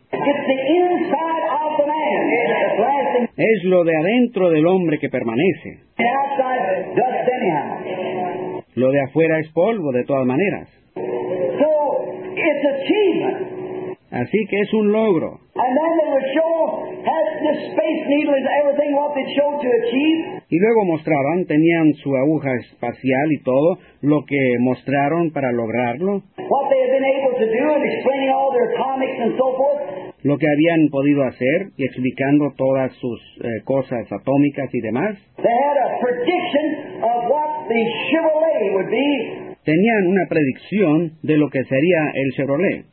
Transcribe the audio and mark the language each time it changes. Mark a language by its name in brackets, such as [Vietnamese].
[English] It's the inside of the man. It's the [Spanish] es lo de adentro del hombre que permanece. [English] And outside, dust anyhow. [Spanish] Lo de afuera es polvo de todas maneras. [English] So, it's achievement. [Spanish] Así que es un logro. [English] And then they would show, has the space needle is everything what they show to achieve. [Spanish] Y luego mostraban, tenían su aguja espacial y todo, lo que mostraron para lograrlo. [English] What they have been able to do in explaining all their atomics and so forth. [Spanish] Lo que habían podido hacer y explicando todas sus cosas atómicas y demás. [English] They had a prediction of what the Chevrolet would be. [Spanish] Tenían una predicción de lo que sería el Chevrolet.